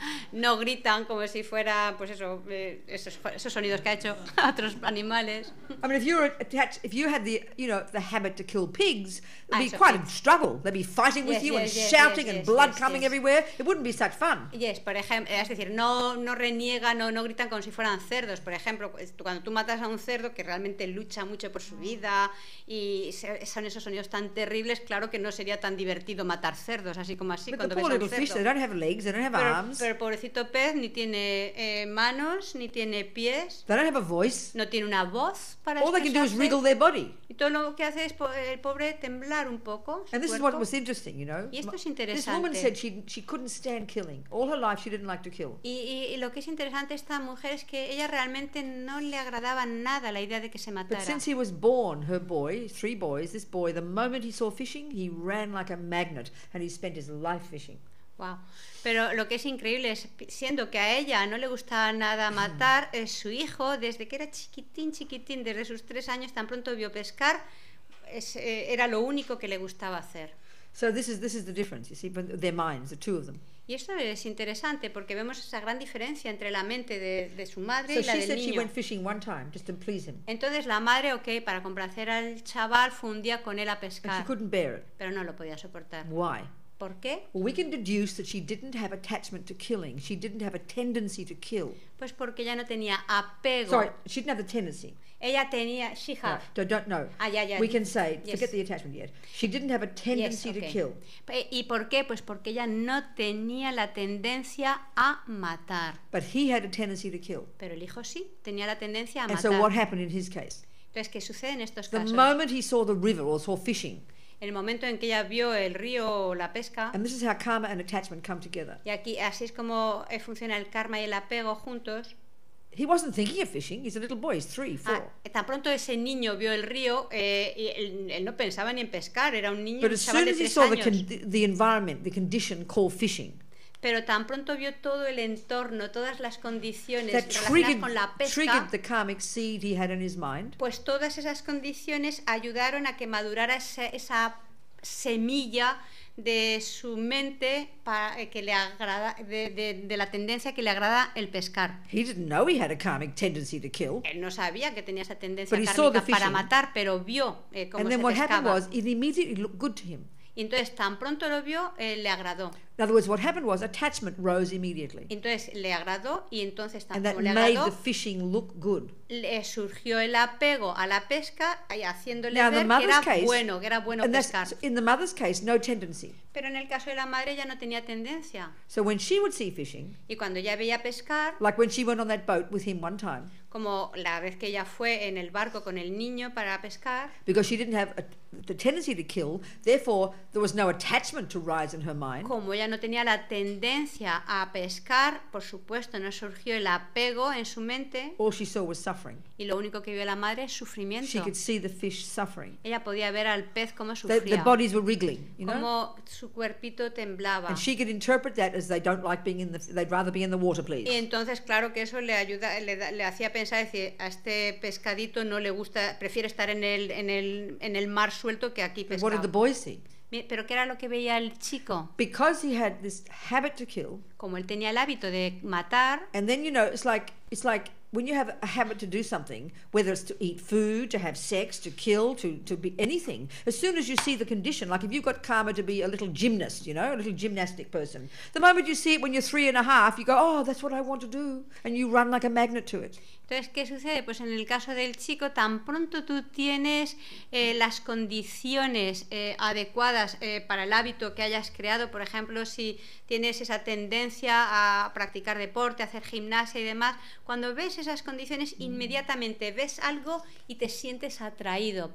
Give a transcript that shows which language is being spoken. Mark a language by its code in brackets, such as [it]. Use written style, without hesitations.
[es] No gritan como si fuera, pues eso, esos sonidos que ha hecho otros animales. [en] I mean, if you were attached, if you had the, you know, the habit to kill pigs, it'd be quite a struggle. They'd be fighting with you and shouting and blood coming everywhere. It wouldn't be such fun. Yes, [es] por ejemplo, es decir, no reniegan, no gritan como si fueran cerdos. Por ejemplo, cuando tú matas a un cerdo que realmente lucha mucho por su vida y son esos sonidos tan terribles, claro que no sería tan divertido matar cerdos así como así. [en] But [es] cuando [en] the poor little fish, they don't have legs, they don't have arms. [es] Pero pobrecito pez ni tiene manos ni tiene pies. [en] They don't have a voice. [es] No tiene una voz para expresarse. [en] All they can do is wriggle their body. [es] Y todo lo que hace es el pobre temblar un poco. [en] And this is what was interesting, you know. [es] Y esto es interesante. [en] This woman said she couldn't stand killing. All her life she didn't like to kill. [es] Y lo que es interesante esta mujer es que ella realmente no le agradaba nada la idea de que se matara. [en] But since he was born, her boy, three boys, this boy, the moment he saw fishing, he ran like a magnet, and he spent his life fishing. Wow. [es] Pero lo que es increíble es, siendo que a ella no le gustaba nada matar, es su hijo, desde que era chiquitín, desde sus 3 años, tan pronto vio pescar, era lo único que le gustaba hacer. [en] So this is the difference, you see, their minds, the two of them. [es] Y esto es interesante porque vemos esa gran diferencia entre la mente de su madre [en] so [es] y la del niño. [en] So she said she went fishing one time just to please him. [es] Entonces la madre, okay, para complacer al chaval, fue un día con él a pescar. [en] But she couldn't bear it. [es] Pero no lo podía soportar. [en] Why? [es] ¿Por qué? [en] Well, we can deduce that she didn't have attachment to killing. She didn't have a tendency to kill. [es] Pues porque ella no tenía apego. [en] Sorry, she didn't have the tendency. [es] Ella tenía, [en] she had. [es] No. Ah, ya. [en] We can say, forget the attachment yet. She didn't have a tendency to kill. [es] ¿Y por qué? Pues porque ella no tenía la tendencia a matar. [en] But he had a tendency to kill. [es] Pero el hijo sí, tenía la tendencia a [en] and [es] matar. [en] And so what happened in his case? [es] Entonces, ¿qué sucede en estos casos? [en] The moment he saw the river or saw fishing, [es] el momento en que ella vio el río o la pesca. [en] And this is how karma and attachment come together. [es] Y aquí así es como funciona el karma y el apego juntos. [en] He wasn't thinking of fishing. He's a little boy. He's 3, 4. [es] Tan pronto ese niño vio el río, él no pensaba ni en pescar. Era un niño. [en] But as soon as he saw the environment, the condition called fishing. [es] Pero tan pronto vio todo el entorno, todas las condiciones relacionadas con la pesca, [en] triggered the karmic seed he had in his mind. [es] Pues todas esas condiciones ayudaron a que madurara esa semilla de su mente de la tendencia que le agrada el pescar. [en] He didn't know he had a karmic tendency to kill. [es] Él no sabía que tenía esa tendencia kármica para matar, pero vio cómo [en] and [es] se pescaba. [en] And then what happened was it immediately looked good to him. [es] Y entonces tan pronto lo vio, le agradó. [en] In other words, what happened was attachment rose immediately. [es] Entonces le agradó y entonces tan pronto le agradó. [en] And that made the fishing look good. [es] Le surgió el apego a la pesca y haciéndole ver que era bueno [en] and [es] pescar. [en] In the mother's case, no tendency. [es] Pero en el caso de la madre ya no tenía tendencia. [en] So when she would see fishing, [es] y cuando ella veía pescar, [en] like when she went on that boat with him one time, [es] como la vez que ella fue en el barco con el niño para pescar. [en] Because she didn't have the tendency to kill, therefore there was no attachment to rise in her mind. [es] Como ella no tenía la tendencia a pescar, por supuesto no surgió el apego en su mente. [en] All she saw was suffering. [es] Y lo único que vio la madre es sufrimiento. [en] She could see the fish suffering. [es] Ella podía ver al pez cómo sufría. [en] The bodies were wriggling, you [es] como [en] know? [es] Su cuerpito temblaba. [en] And she could interpret that as they don't like being in the, they'd rather be in the water, please. [es] Y entonces claro que eso le hacía pensar, decir, a este pescadito no le gusta, prefiere estar en el mar suelto que aquí pescado. [en] What did the boy see? [es] Pero ¿qué era lo que veía el chico? [en] Because he had this habit to kill. [es] Como él tenía el hábito de matar. [en] And then you know, it's like when you have a habit to do something, whether it's to eat food, to have sex, to kill, to be anything, as soon as you see the condition, like if you've got karma to be a little gymnast, you know, a little gymnastic person, the moment you see it when you're 3 and a half, you go, oh, that's what I want to do, and you run like a magnet to it. [es] Entonces, ¿qué sucede? Pues en el caso del chico, tan pronto tú tienes las condiciones adecuadas para el hábito que hayas creado, por ejemplo, si tienes esa tendencia a practicar deporte, a hacer gimnasia y demás, cuando ves esas condiciones, inmediatamente ves algo y te sientes atraído.